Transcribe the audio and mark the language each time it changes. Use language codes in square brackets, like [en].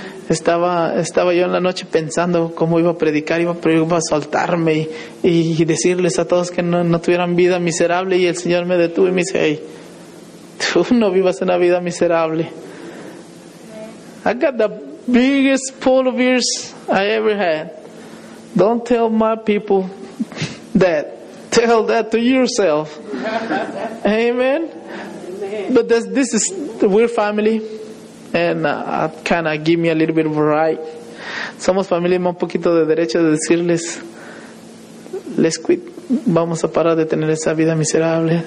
[es] Estaba yo en la noche pensando cómo iba a predicar, iba a soltarme y decirles a todos que no tuvieran vida miserable. Y el Señor me detuvo y me dice, hey, tú no vivas una vida miserable. [en] I got the biggest pool of ears I ever had. Don't tell my people that. Tell that to yourself. Amen. But this is, we're family. And kind of give me a little bit of right. [es] Somos familia, un poquito de derecho de decirles, [en] let's quit. [es] Vamos a parar de tener esa vida miserable.